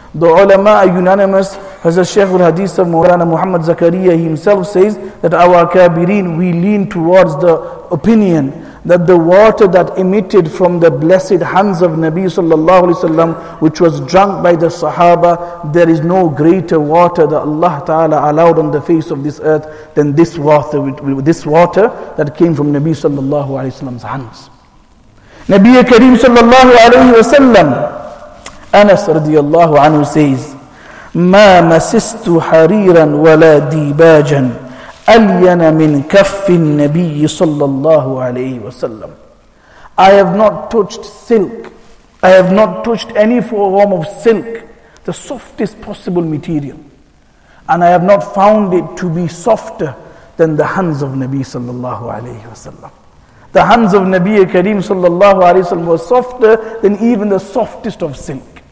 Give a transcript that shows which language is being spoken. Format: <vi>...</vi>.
<en>The ulama are unanimous. Hazrat Shaykh al-Hadith of Mawlana Muhammad Zakariya himself says that our kabirin, we lean towards the opinion that the water that emitted from the blessed hands of Nabi sallallahu alayhi wasallam, which was drunk by the Sahaba, there is no greater water that Allah Ta'ala allowed on the face of this earth than this water that came from Nabi sallallahu alayhi wasallam's hands.</en> <ar>Nabi Kareem sallallahu alayhi wasallam, Anas radiallahu anhu says, مَا مَسِسْتُ حَرِيرًا وَلَا دِيبَاجًا أَلْيَنَ مِنْ كَفِّ النَّبِيِّ صَلَّى اللَّهُ عَلَيْهِ وَسَلَّمُ.</ar> <en>I have not touched silk. I have not touched any form of silk, the softest possible material. And I have not found it to be softer than the hands of Nabi sallallahu alayhi wasallam. The hands of Nabi Kareem sallallahu alayhi wasallam were softer than even the softest of silk.</en>